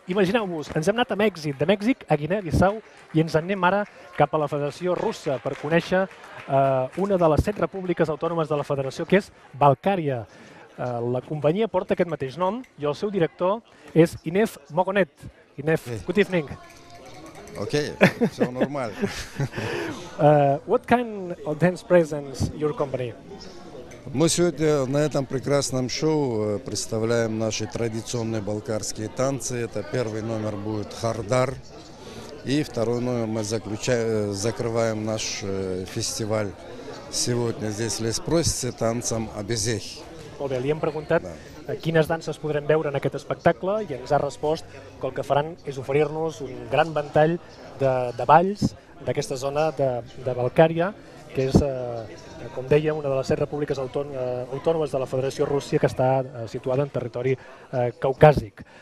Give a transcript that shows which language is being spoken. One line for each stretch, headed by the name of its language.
Catalan: Imagineu-vos, ens hem anat a Mèxic, de Mèxic a Guinea-Bissau, i ens anem ara cap a la Federació Russa per conèixer una de les 7 repúbliques autònomes de la Federació, que és Balkària. La companyia porta aquest mateix nom i el seu director és Inef Mogonet.
English: Inef, good evening. Okay, so normal. What kind of dance presents your company?
Russian: Мы сегодня на этом прекрасном шоу представляем наши традиционные балкарские танцы. Это первый номер будет «Хардар», и второй номер мы закрываем наш фестиваль сегодня здесь «Лес просится» танцем «Абезех».
Catalan: Molt bé, li hem preguntat quines danses podrem veure en aquest espectacle i ens ha respost que el que faran és oferir-nos un gran ventall de balls d'aquesta zona de Balkària, que és, com deia, una de les 7 repúbliques autònomes de la Federació Rússia, que està situada en territori caucàsic.